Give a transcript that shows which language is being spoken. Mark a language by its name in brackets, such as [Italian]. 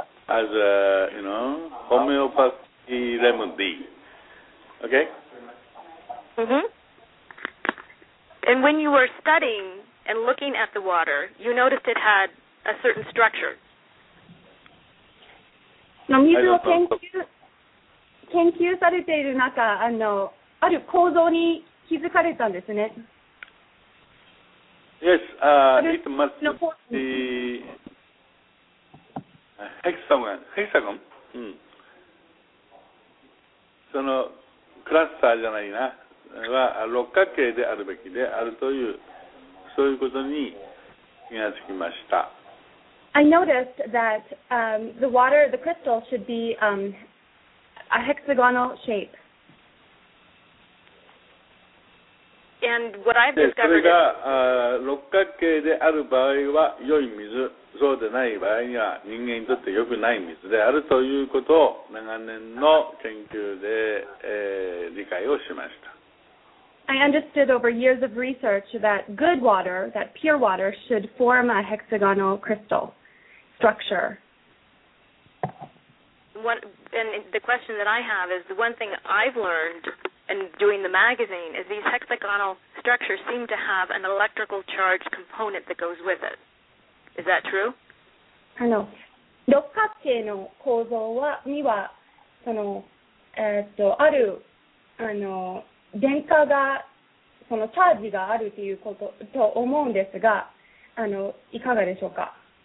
[English] As a, you know, homeopathy remedy. Okay? Mm-hmm. And when you were studying and looking at the water, you noticed it had a certain structure. No, [Japanese] 水を研究されている中、ある構造に気づかれたんですね。 [English] Yes, it must be... Hexagon. Mm. [Japanese] そのクラスターじゃないな、は六角形であるべきであるという、そういうことに気がつきました。 [English] I noticed that the water, the crystal should be a hexagonal shape. And what I've discovered. [Japanese] それが六角形である場合は良い水。そうでない場合には人間にとって良くない水であるということを長年の研究で、理解をしました。 [English] I understood over years of research that good water, that pure water, should form a hexagonal crystal structure. And the question that I have is the one thing I've learned in doing the magazine is these hexagonal structures seem to have an electrical charge component that goes with it. Is that true? [Japanese] 六角形の構造はにはその、ある電荷がそのチャージがあるということと思うんですがいかがでしょうか。